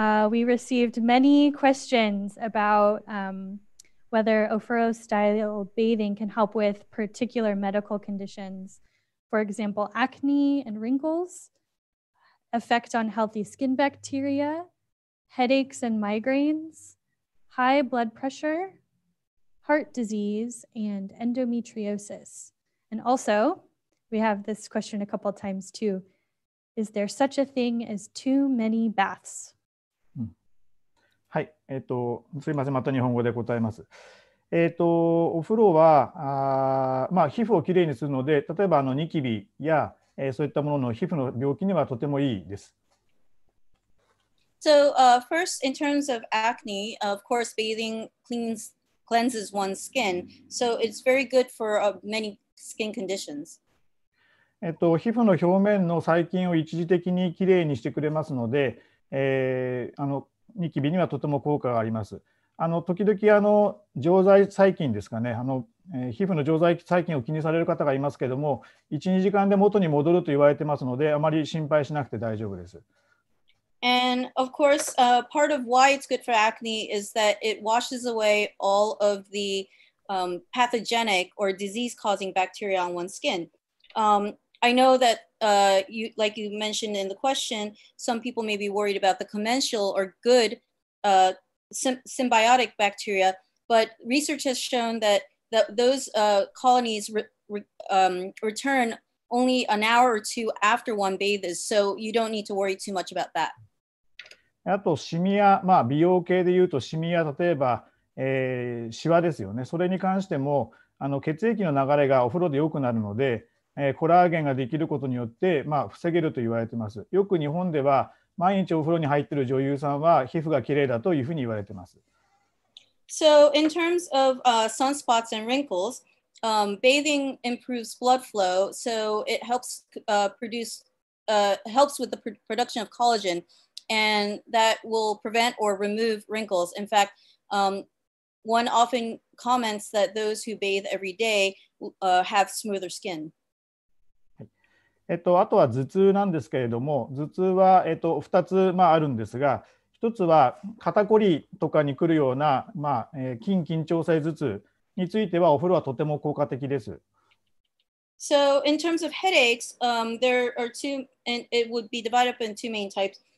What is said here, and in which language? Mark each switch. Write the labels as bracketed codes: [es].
[en] We received many questions about whether Ofuro style bathing can help with particular medical conditions, for example, acne and wrinkles, effect on healthy skin bacteria, headaches and migraines, high blood pressure, heart disease, and endometriosis. And also, we have this question a couple of times too. Is there such a thing as too many baths? [ja] はい、すいません、また日本語で答えます。お風呂は、まあ、皮膚をきれいにするので、例えばあのニキビや、そういったものの皮膚の病気にはとてもいいです。 [en] So first, in terms of acne, of course, bathing cleanses one's skin. So it's very good for many skin conditions. [ja] 皮膚の表面の細菌を一時的にきれいにしてくれますので、ニキビにはとても効果があります。時々常在細菌ですかね、皮膚の常在細菌を気にされる方がいますけども、1、2時間で元に戻ると言われてますので、あまり心配しなくて大丈夫です。 [en] And of course, part of why it's good for acne is that it washes away all of the pathogenic or disease-causing bacteria on one's skin. I know that, you, like you mentioned in the question, some people may be worried about the commensal or good symbiotic bacteria, but research has shown that those colonies return only an hour or two after one bathes, so you don't need to worry too much about that. [ja] あとシミや、まあ、美容系でいうとシミや例えば、シワですよね。それに関しても血液の流れがお風呂で良くなるので、コラーゲンができることによって、まあ、防げると言われています。よく日本では毎日お風呂に入っている女優さんは皮膚がきれいだというふうに言われています。 [en] So in terms of sunspots and wrinkles, bathing improves blood flow, so it helps helps with the production of collagen.And that will prevent or remove wrinkles. In fact, One often comments that those who bathe every day have smoother skin. [ja] あとは頭痛なんですけれども、頭痛は2つ、まあ、あるんですが、1つは肩こりとかに来るような、まあ、筋緊張性頭痛についてはお風呂はとても効果的です。 [en] So in terms of headaches, there are two, and it would be divided up into two main types.